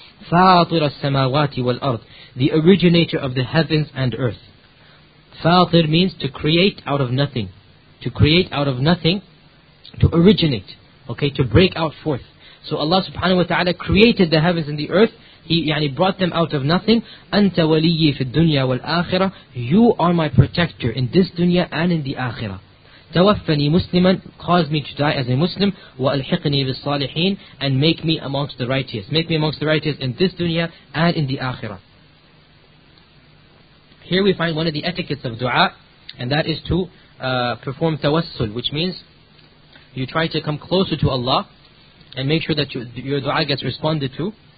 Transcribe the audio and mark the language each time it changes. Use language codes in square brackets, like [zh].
[ar] فاطر السماوات والأرض, [en] the originator of the heavens and earth. فاطر means to create out of nothing. To create out of nothing, to originate, okay, to break out forth. So Allah subhanahu wa ta'ala created the heavens and the earth. He يعني, brought them out of nothing. [ar] أنت ولي في الدنيا والآخرة. [en] You are my protector in this dunya and in the akhirah. [ar] تَوَفَّنِي مُسْلِمًا, [en] cause me to die as a Muslim. [ar] وَأَلْحِقْنِي بِالصَّالِحِينَ, [en] and make me amongst the righteous. Make me amongst the righteous in this dunya and in the akhirah. Here we find one of the etiquettes of dua, and that is to perform tawassul, which means you try to come closer to Allah and make sure that your dua gets responded to.